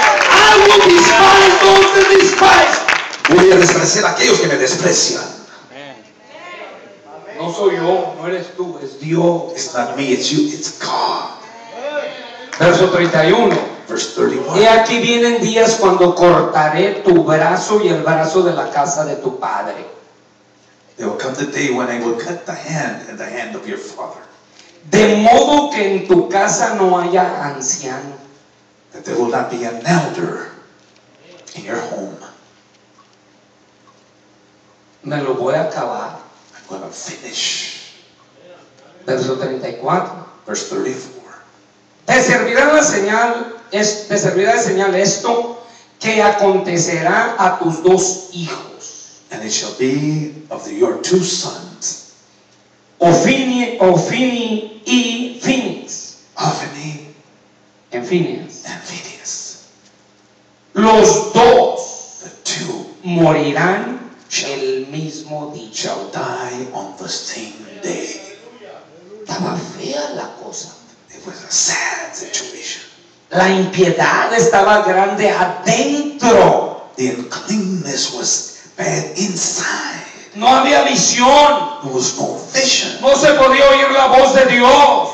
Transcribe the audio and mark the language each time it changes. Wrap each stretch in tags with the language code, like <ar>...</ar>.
<en>I will despise those that despise.</en> <es>Voy a despreciar a aquellos que me desprecian. No soy yo, no eres tú, es Dios.</es> <en>It's not me, it's you, it's God.</en> <es>Verso 31.</es> <en>Verse 31.</en> <es>He aquí vienen días cuando cortaré tu brazo y el brazo de la casa de tu padre.</es> <en>There will come the day when I will cut the hand and the hand of your father.</en> <es>De modo que en tu casa no haya anciano.</es> <en>That there will not be an elder in your home.</en> <es>Me lo voy a acabar.</es> <en>I'm going to finish.</en> <es>Verso 34.</es> <en>Verse 34.</en> <es>Te servirá de señal esto que acontecerá a tus dos hijos.</es> <en>And it shall be of your two sons,</en> <es>Ophini y Phinehas.</es> <en>Ophni. And Phineas. And Phineas.</en> <es>Los dos.</es> <en>The two.</en> <es>Morirán el mismo día.</es> <en>Shall die on the same day.</en> <es>Estaba fea la cosa.</es> <en>It was a sad situation.</en> <es>La impiedad estaba grande adentro.</es> <en>The uncleanness was bad inside.</en> <es>No había visión.</es> <en>There was no vision.</en> <es>No se podía oír la voz de Dios.</es>